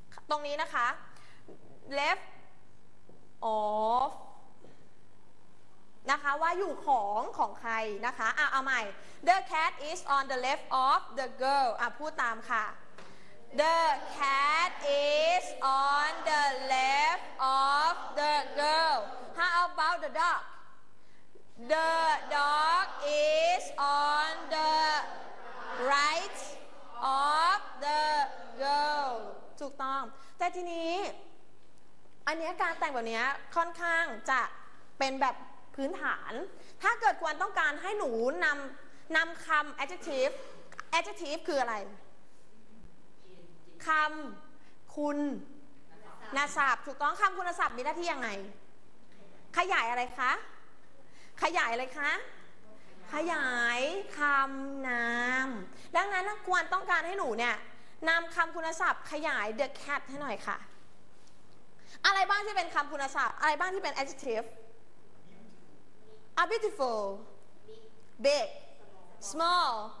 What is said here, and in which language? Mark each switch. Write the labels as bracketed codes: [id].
[th] ตรงนี้นะคะ [en] left off [th] นะคะว่าอยู่ของใครนะคะเอาใหม่ [en] the cat is on the left of the girl [th] พูดตามค่ะ [en] the cat is on the left of the girlHow about the dog? The dog is on the right of the girl. [th] ถูกต้องแต่ทีนี้อันนี้การแต่งแบบนี้ค่อนข้างจะเป็นแบบพื้นฐานถ้าเกิดควรต้องการให้หนูนำคำ adjective คืออะไร คำคุณนาศัพท์ถูกต้องคำคุณนาศัพท์มีหน้าที่ยังไงขยายอะไรคะขยายอะไรคะขยายคำนามดังนั้นควรต้องการให้หนูเนี่ยนำคำคุณศัพท์ขยาย the cat ให้หน่อยค่ะอะไรบ้างที่เป็นคำคุณศัพท์อะไรบ้างที่เป็น adjective [en] beautiful big small